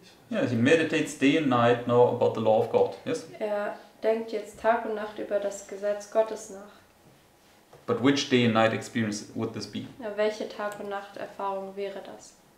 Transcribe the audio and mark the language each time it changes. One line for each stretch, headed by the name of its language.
English: Yeah, he meditates day and night now about the law of God. Yes.
German: Er denkt jetzt Tag und Nacht über das Gesetz Gottes nach.
English: But which day and night experience would this be?
German: Ja, welche Tag und Nacht Erfahrung wäre das?